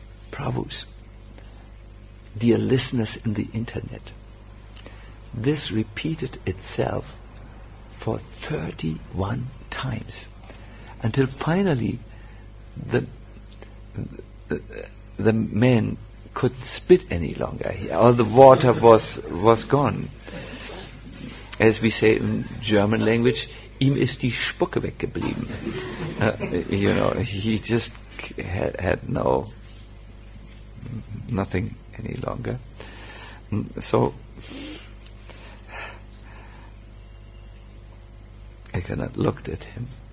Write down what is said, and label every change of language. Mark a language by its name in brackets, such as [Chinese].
[English] Prabhus, dear listeners in the internet, this repeated itself for 31 times, until finally the man couldn't spit any longer. All the water was gone. As we say in German language, [German] ihm ist die Spucke weggeblieben. [English] You know, he just had nothing any longer. So Ekanath looked at him.